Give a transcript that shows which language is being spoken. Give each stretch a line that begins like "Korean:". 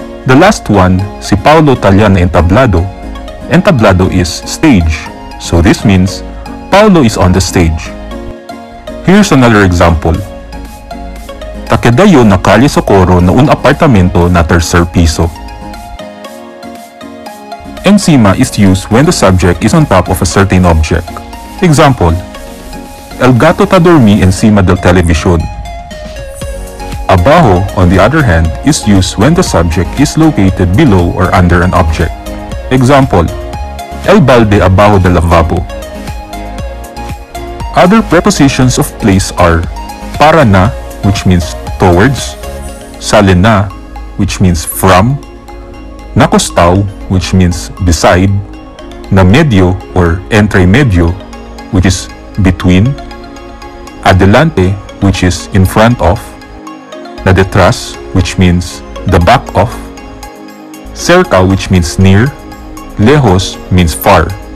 English: The last one,
Chavacano: si Paolo talya na entablado,
English: entablado is stage, so this means Paolo is on the stage. Here's another example.
Chavacano: Takeda yo na kalye Socorro na un apartamento na tercer piso.
English: Encima is used when the subject is on top of a certain object. Example,
Chavacano: el gato ta dormi encima del televisión.
English: Abajo, on the other hand, is used when the subject is located below or under an object. Example,
Chavacano: el balde abajo del lavabo.
English: Other prepositions of place are para na, which means towards, sale na, which means from, nakostaw, which means beside, na medio or entre medio, which is between, adelante, which is in front of, na detrás, which means the back of, cerca, which means near, lejos means far.